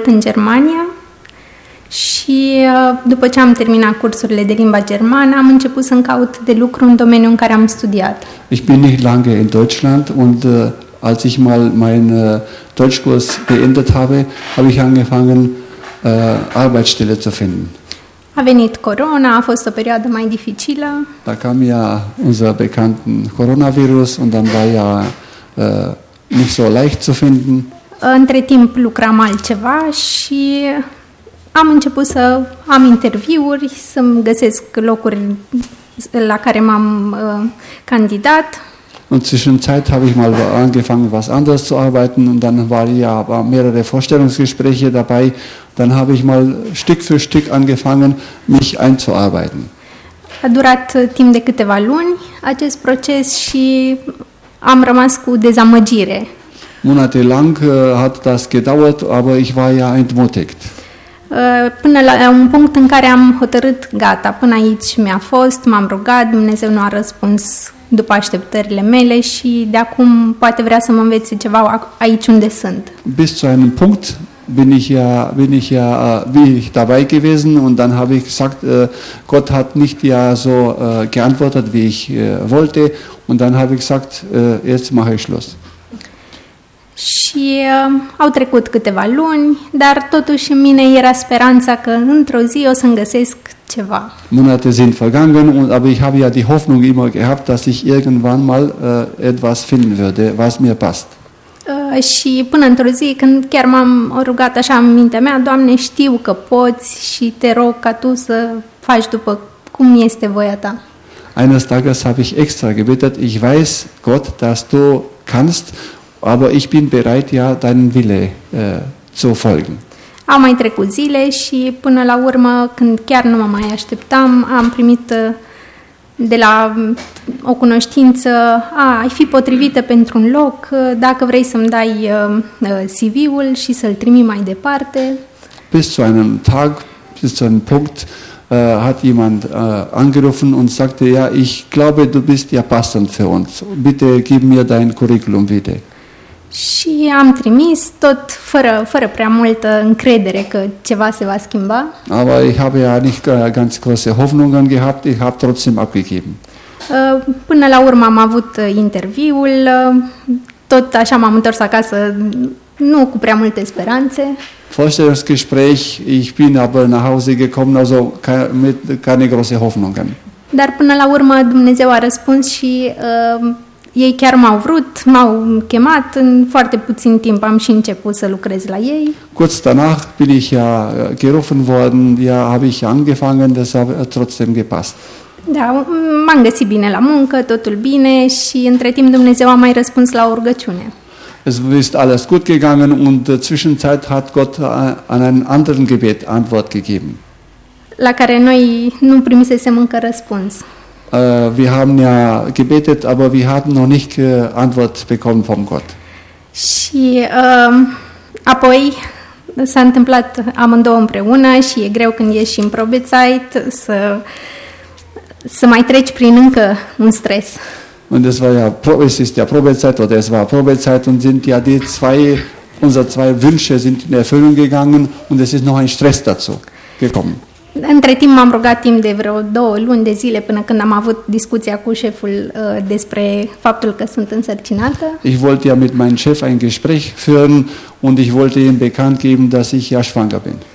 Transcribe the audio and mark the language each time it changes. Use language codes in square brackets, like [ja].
[ro] în Germania și după ce am terminat cursurile de limba germană, am început să-mi caut de lucru în domeniul în care am studiat. [de] Ich bin nicht lange in Deutschland und als ich mal meinen Deutschkurs beendet habe, habe ich angefangen Arbeitsstelle zu finden. [ro] A venit corona, a fost o perioadă mai dificilă. [de] Da kam ja unser bekannten Coronavirus und dann war ja nicht so leicht zu finden. [ro] Între timp lucram altceva și am început să am interviuri, să-mi găsesc locuri la care m-am candidat. [de] Und zwischenzeit habe ich mal angefangen was anderes zu arbeiten und dann war ja mehrere Vorstellungsgespräche dabei, dann habe ich mal Stück für Stück angefangen mich einzuarbeiten. [ro] A durat timp de câteva luni acest proces și am rămas cu dezamăgire. [de] Monatelang hat das gedauert, aber ich war ja entmutigt. [ro] Până la un punct în care am hotărât, gata, până aici mi-a fost, m-am rugat, Dumnezeu nu a răspuns după așteptările mele și de acum poate vrea să mă învețe ceva aici unde sunt. [de] Bis zu einem Punkt bin ich ja wie ich dabei gewesen und dann habe ich gesagt, Gott hat nicht ja so geantwortet, wie ich wollte und dann habe ich gesagt, jetzt mache ich Schluss. [ro] Și au trecut câteva luni, dar totuși în mine era speranța că într-o zi o să-mi găsesc ceva. [de] Monate sind vergangen und aber ich habe ja die Hoffnung immer gehabt, dass ich irgendwann mal etwas finden würde, was mir passt. [ro] Și până într-o zi când chiar m-am rugat așa în mintea mea, Doamne, știu că poți și te rog ca tu să faci după cum este voia ta. [de] Eines Tages habe ich extra gebetet, ich weiß, Gott, dass du kannst, aber ich bin bereit ja deinen Wille zu folgen. [ro] Am mai trecut zile și până la urmă când chiar nu mă mai așteptam, am primit de la o cunoștință, ai fi potrivită pentru un loc, dacă vrei să-mi dai CV-ul și să-l trimit mai departe. [de] Bis zu einem Tag, bis zu einem Punkt hat jemand angerufen und sagte, ja, ich glaube, du bist ja passend für uns. Bitte gib mir dein Curriculum wieder. [ro] Și am trimis tot fără prea multă încredere că ceva se va schimba. [de] Aber ich habe ja nicht ganz große Hoffnungen gehabt, ich habe trotzdem abgegeben. [ro] Până la urmă am avut interviul, tot așa m-am întors acasă, nu cu prea multe speranțe. [de] Vorstellungsgespräch, ich bin aber nach Hause gekommen, also mit keine große Hoffnungen. [ro] Dar până la urmă Dumnezeu a răspuns și ei chiar m-au vrut, m-au chemat, în foarte puțin timp am și început să lucrez la ei. [de] Kurz danach bin ich ja gerufen worden, ja, habe ich angefangen, das hat trotzdem gepasst. [ro] Da, m-am găsit bine la muncă, totul bine și între timp Dumnezeu a mai răspuns la o rugăciune. [de] Es ist alles gut gegangen und zwischenzeit hat Gott an einen anderen Gebet Antwort gegeben. [ro] La care noi nu primisesem încă răspuns. [de] Wir haben ja gebetet, aber wir hatten noch nicht Antwort bekommen vom Gott. [ro] Și apoi s-a întâmplat amândouă împreună și e greu când ești în probezeit să mai treci prin încă un stres. [de] Und es war ja es ist ja Probezeit oder es war Probezeit und sind ja die zwei unsere zwei Wünsche sind in Erfüllung gegangen und es ist noch ein Stress dazu gekommen. [ro] Între timp m-am rugat timp de vreo două luni de zile până când am avut discuția cu șeful despre faptul că sunt însărcinată. [de] Ich wollte ja mit meinem Chef ein Gespräch führen und ich wollte ihm bekannt geben, dass ich ja schwanger bin.